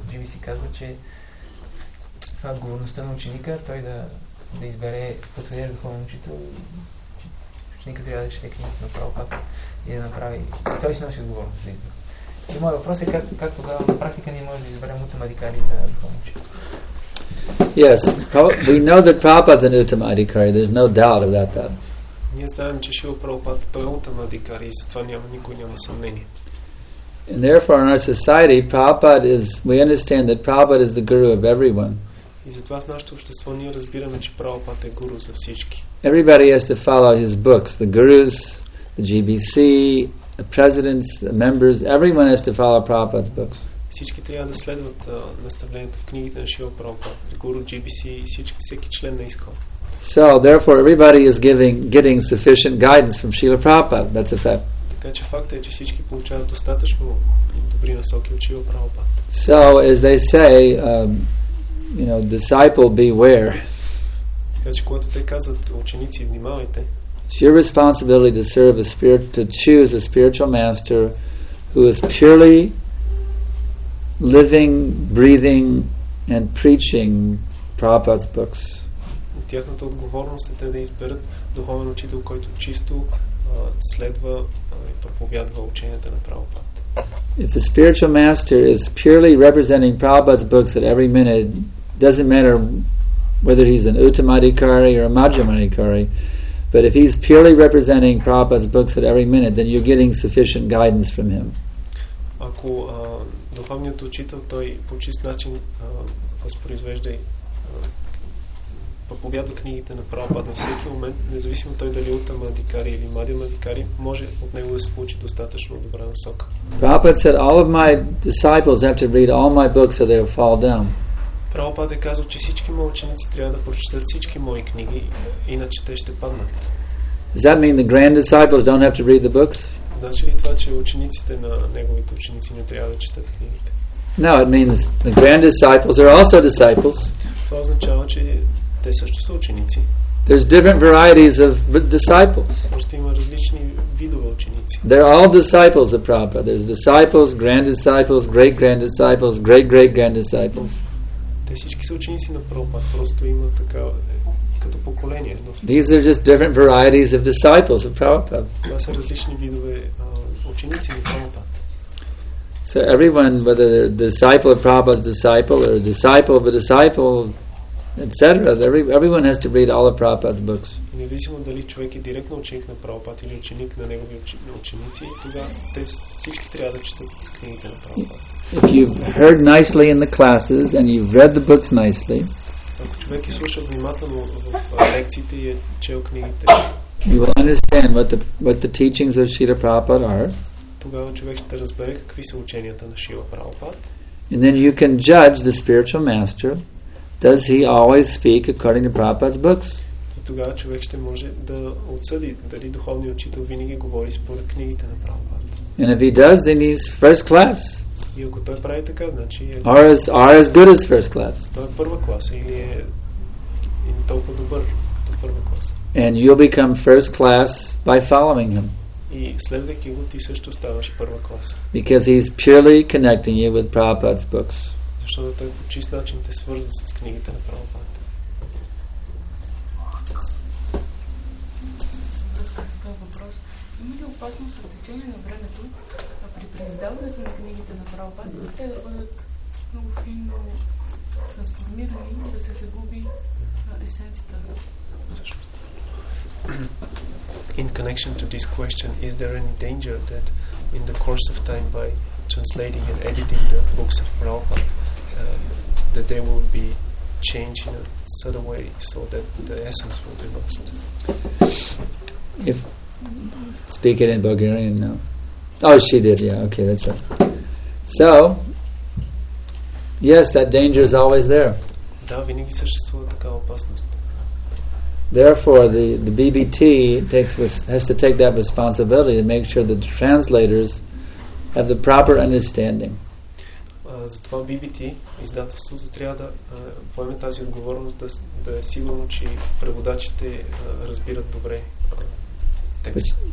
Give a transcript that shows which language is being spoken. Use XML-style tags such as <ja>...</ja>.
<bg>GBC казва, че това е отговорността на ученика, той да избере потвърден духовен учител, ученика трябва да чете книгата направо пак и да направи. И той си носи отговорност за избор. И моят въпрос е как тогава на практика ние можем да изберем утамадикари за духовен учител?</bg> <en>Yes, we know that Prabhupada is an Uttamadhikari, there's no doubt about that.</en> <bg>Ние знаем, че Шрила Прабхупада той е Уттамадхикари и затова никой няма съмнение.</bg> <en>And therefore in our society Prabhupada is, we understand that Prabhupada is the guru of everyone.</en> <bg>И затова в нашето общество ние разбираме, че Прабхупада е гуру за всички.</bg> <en>Everybody has to follow his books, the gurus, the GBC, the presidents, the members, everyone has to follow Prabhupada's books.</en> <bg>Всички трябва да следват наставлението в книгите на Шрила Прабхупада, гуру, GBC и всеки член на ИСКОН.</bg> <en>So therefore everybody is getting sufficient guidance from Srila Prabhupada. That's a fact.</en> <bg>Така че фактът е, че всички получават достатъчно добри насоки от Шрила Прабхупада.</bg> <en>So as they say, you know, disciple beware.</en> <bg>Така че когато те казват ученици, внимавайте.</bg> <en>It's your responsibility to serve a spirit, to choose a spiritual master who is purely living, breathing and preaching Prabhupada's books.</en> <bg>Тяхната отговорност е те да изберат духовен учител, който чисто следва и проповядва ученията на Прабхупада.</bg> <en>If the spiritual master is purely representing Prabhupada's books at every minute, doesn't matter whether he's an Uttamadhikari or a Madhyamadhikari, but if he's purely representing Prabhupada's books at every minute, then you're getting sufficient guidance from him.</en> <bg>Ако духовният учител той по чист начин възпроизвежда проповядва книгите на Прабхупада на всеки момент, независимо той дали е Уттамадхикари или Мадхямадхикари, може от него да се получи достатъчно добра насока.</bg> <en>Prabhupada said all of my disciples have to read all my books or they'll fall down.</en> <bg>Прабхупада е казал, че всички мои ученици трябва да прочитат всички мои книги, иначе те ще паднат.</bg> <en>Does that mean the grand disciples don't have to read the books?</en> <bg>Значи ли това, че учениците на неговите ученици не трябва да четат книгите?</bg> <en>No, it means the grand disciples are also disciples.</en> <bg>Това означава, че те също са ученици.</bg> <en>There's different varieties of disciples.</en> <bg>Просто има различни видове ученици.</bg> <en>They're all disciples of Prabhupada. There's disciples, grand disciples, great grand disciples, great great grand disciples.</en> <bg>Те всички са ученици на Прабхупада. Просто има така като поколение.</bg> <en>These are just different varieties of disciples of Prabhupada.</en> <bg>Това са различни видове ученици на Прабхупада.</bg> <en>So everyone, whether they're a disciple of Prabhupada's disciple or a disciple of a disciple, etc. Everyone has to read all of Prabhupada's books.</en> <bg>Независимо дали човек е директно ученик на Прабхупада или ученик на негови ученици, тогава те всички трябва да четат книгите на Прабхупада.</bg> <en>If you've heard nicely in the classes and you've read the books nicely,</en> <bg>ако човек е слушал внимателно в лекциите и е чел книгите,</bg> <en>you will understand what the teachings of Srila Prabhupada are.</en> <bg>Тогава човек ще разбере какви са ученията на Шрила Прабхупада.</bg> <en>And then you can judge the spiritual master. Does he always speak according to Prabhupada's books?</en> <bg>И тогава човек ще може да отсъди дали духовният учител винаги говори според книгите на Прабхупада.</bg> <en>And if he does, then he's first class.</en> <bg>И ако той прави така, значи е...</bg> <en>Or as good as first class.</en> <bg>Той е първа класа или е толкова добър като първа класа.</bg> <en>And you'll become first class by following him.</en> <bg>И следвайки го, ти също ставаш първа класа.</bg> <en>Because he's purely connecting you with Prabhupada's books.</en> <bg>Защото той по чист начин те свързва с книгите на Прабхупада. Въпрос. Има ли опасност от течение на времето при преиздаването на книгите на Прабхупада, те да бъдат много фино трансформирани и да се загуби есенцията?</bg> <en>In connection to this question, is there any danger that in the course of time by translating and editing the books of Prabhupada, that they will be changed in a certain way so that the essence will be lost? If speak it in Bulgarian now. Oh, she did, yeah, okay, that's right. So, yes, that danger is always there.</en> <bg>Да, винаги съществува такава опасност.</bg> <en>Therefore, the BBT has to take that responsibility to make sure that the translators have the proper understanding.</en> <bg>Затова BBT, издателството, трябва да поеме тази отговорност, да е сигурно, че преводачите разбират добре текста.</bg>